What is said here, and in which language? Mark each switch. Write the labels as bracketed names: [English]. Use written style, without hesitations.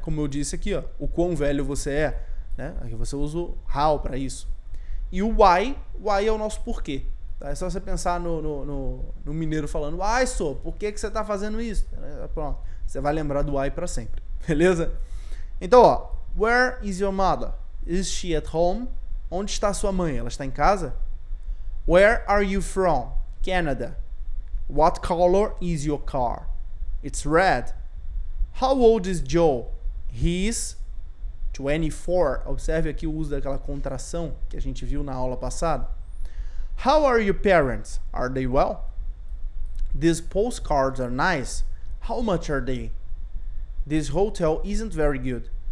[Portuguese] Como eu disse aqui, ó, o quão velho você é, né? Aqui você usa o how para isso. E o why é o nosso porquê, tá? É só você pensar no mineiro falando, why, so, por que que você está fazendo isso? Pronto, você vai lembrar do why para sempre, beleza? Então, ó, [English] where is your mother? Is she at home? [Portuguese] Onde está sua mãe? Ela está em casa? [English] Where are you from? Canada. What color is your car? It's red. How old is Joe? He's 24. [Portuguese] Observe aqui o uso daquela contração que a gente viu na aula passada. [English] How are your parents? Are they well? These postcards are nice. How much are they? This hotel isn't very good.